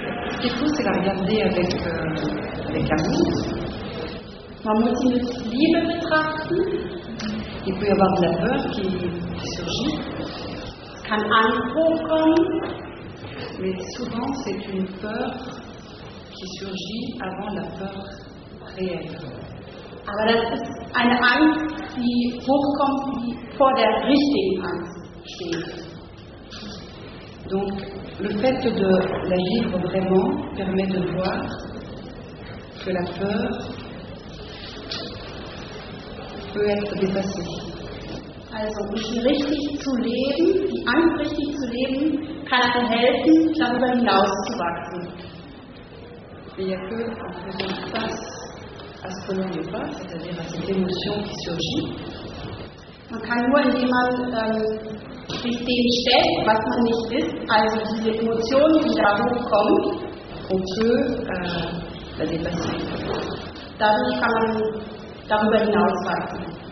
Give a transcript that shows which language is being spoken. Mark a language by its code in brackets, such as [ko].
[fr] Ce qu'il faut, c'est la regarder avec, avec amour. [de] Man muss ihn mit Liebe betrachten. [fr] Il peut y avoir de la peur qui surgit. [de] Es kann Angst hochkommen. [fr] Mais souvent, c'est une peur qui surgit avant la peur réelle. [de] Aber das ist eine Angst, die hochkommt, die vor der richtigen Angst steht. [fr] Donc, le fait de la vivre vraiment permet de voir que la peur peut être dépassée. [de] Also, richtig zu leben, die Angst richtig zu leben, kann einem helfen, darüber hinauszuwachsen. [fr] Il n'y a que en faisant face à ce que l'on n'est pas, c'est-à-dire à cette émotion qui surgit. [de] Man kann nur, indem man sich dem stellt, was man nicht ist, also diese Emotion, die da hochkommt, [fr] on peut la dépasser. [de] Dadurch kann man darüber hinauswachsen.